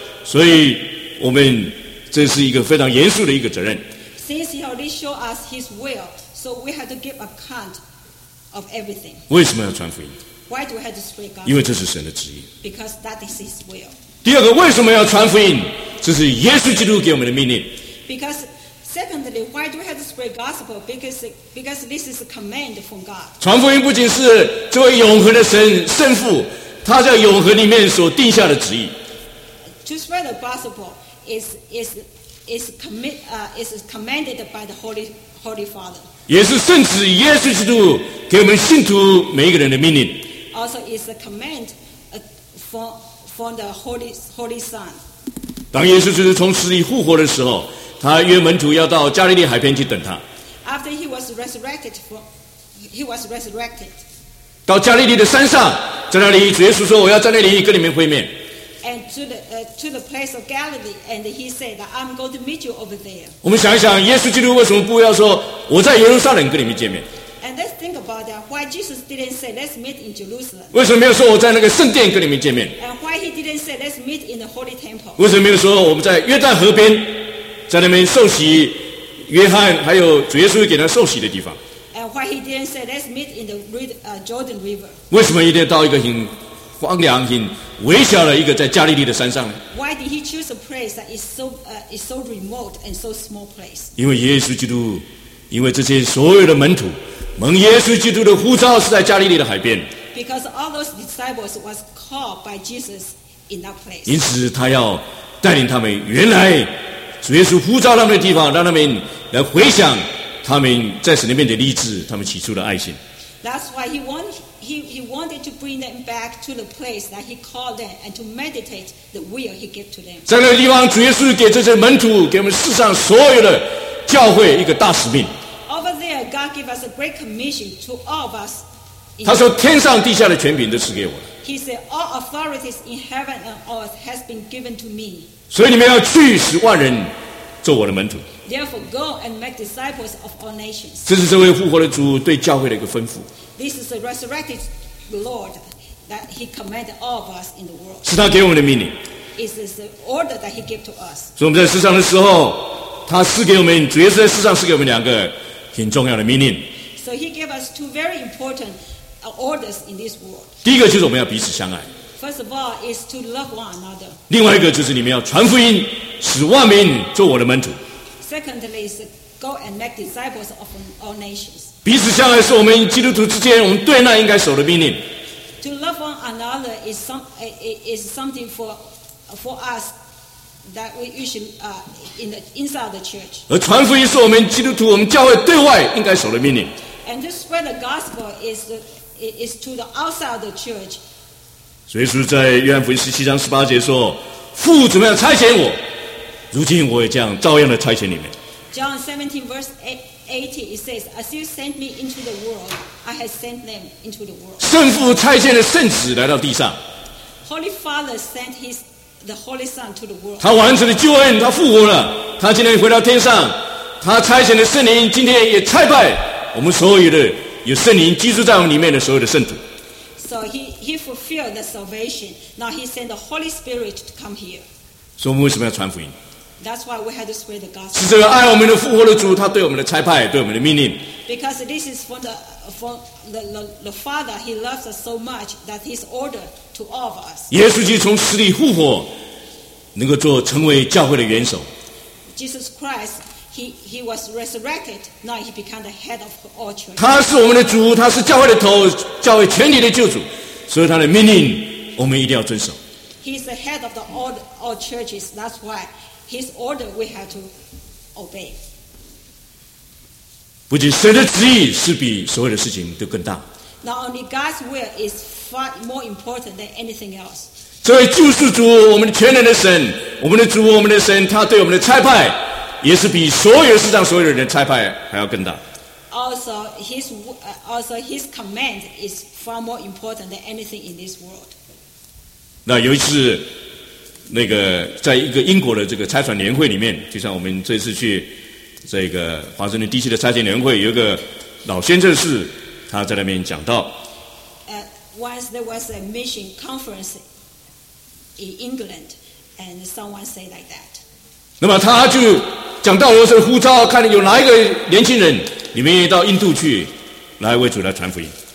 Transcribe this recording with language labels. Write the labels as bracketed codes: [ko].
[zh] 所以，我们这是一个非常严肃的一个责任。 [en] Since He already showed us His will, so we have to give account of everything. [zh] 为什么要传福音？ [en] Why do we have to spread God? [zh] 因为这是神的旨意。 [en] Because that is His will. [zh] 第二个，为什么要传福音？这是耶稣基督给我们的命令。 [en] Because secondly, why do we have to spread gospel? Because this is a command from God. [zh] 传福音不仅是这位永恒的神圣父他在永恒里面所定下的旨意。 [en] To spread the gospel is commanded by the Holy Father. [zh] 也是圣子耶稣基督给我们信徒每一个人的命令。 [en] Also, it's a command from the Holy Son. [zh] 当耶稣基督从死里复活的时候，他约门徒要到加利利海边去等他。 [en] After he was resurrected. [zh] 到加利利的山上，在那里，主耶稣说：“我要在那里跟你们会面。” [en] And to the place of Galilee, and he said, "I'm going to meet you over there." [zh] 我们想一想，耶稣基督为什么不要说我在耶路撒冷跟你们见面？ [en] And let's think about that. Why Jesus didn't say, "Let's meet in Jerusalem"? [zh] 为什么没有说我在那个圣殿跟你们见面 [en] ？And why he didn't say, "Let's meet in the holy temple"? [zh] 为什么没有说我们在约旦河边，在那边受洗，约翰还有主耶稣给他受洗的地方 [en] ？And why he didn't say, "Let's meet in the Jordan River"? [zh] 为什么一定要到一个很荒凉、很微小的一个在加利利的山上呢 [en] ？Why did he choose a place that is so remote and so small place？ [zh] 因为耶稣基督，因为这些所有的门徒。蒙耶稣基督的呼召是在加利利的海边。 [en] Because all those disciples was called by Jesus in that place. [zh] 因此，他要带领他们原来主耶稣呼召他们的地方，让他们来回想他们在神面前的立志，他们起初的爱心。 [en] That's why he wanted to bring them back to the place that he called them and to meditate the will he gave to them. [zh] 在那个地方，主耶稣给这些门徒，给我们世上所有的教会一个大使命。 [en] God gave us a great commission to all of us. [zh] 他说：“天上地下的权柄都赐给我。” [en] He said, "All authorities in heaven and earth has been given to me." [zh] 所以你们要去使万人做我的门徒。 [en] Therefore, go and make disciples of all nations. [zh] 这是这位复活的主对教会的一个吩咐。 [en] This is the resurrected Lord that He commanded all of us in the world. [zh] 是他给我们的命令。 [en] It is the order that He gave to us. [zh] 所以我们在世上的时候，他赐给我们，主耶稣在世上赐给我们两个。很重要的命令。 [en] So he gave us two very important orders in this world. [zh] 第一个就是我们要彼此相爱。 [en] First of all, is to love one another. [zh] 另外一个就是你们要传福音，使万民做我的门徒。 [en] Secondly, is go and make disciples of all nations. [zh] 彼此相爱是我们基督徒之间我们对那应该守的命令。 [en] To love one another is something for us. That we should inside the church. [zh] 而传福音是我们基督徒、我们教会对外应该守的命令。 [en] And to spread the gospel is to the outside of the church. [zh] 所以说，在约翰福音十七章十八节说：“父怎么样差遣我，如今我也这样照样的差遣你们。” [en] John 17 verse 18 it says, "As you sent me into the world, I have sent them into the world." [zh] 圣父差遣了圣子来到地上。 [en] Holy Father sent His The Holy Son to the world. [zh] 他完成了救恩，他复活了，他今天回到天上，他差遣的圣灵今天也差派我们所有的有圣灵居住在我们里面的所有的圣徒。 [en] So he fulfilled the salvation. Now he sent the Holy Spirit to come here. [zh] 所以我们为什么要传福音 [en] ？That's why we had to spread the gospel. [zh] 是这个爱我们的复活的主，他对我们的差派，对我们的命令。 [en] Because this is from the Father, He loves us so much that He's ordered. [zh] 耶稣基督从死里复活，能够做成为教会的元首。 [en] Jesus Christ, he was resurrected. Now he became the head of all church. [zh] 他是我们的主，他是教会的头，教会全体的救主。所以他的命令，我们一定要遵守。 [en] He is the head of all churches. That's why his order we have to obey. [zh] 不仅神的旨意是比所有的事情都更大。 [en] Not only God's will is far more important than anything else. [zh] 这位救世主，我们全能的神，我们的主，我们的神，他对我们的差派，也是比所有世上所有人的差派还要更大。 [en] Also, his command is far more important than anything in this world. [zh] 那有一次，那个在一个英国的这个差传联会里面，就像我们这次去这个华盛顿 DC 的差遣联会，有一个老先生是他在那边讲到。 [en] Once there was a mission conference in England, and someone said like that. [zh] 那么他就讲到我是呼召，看有哪一个年轻人，你们愿意到印度去来为主来传福音。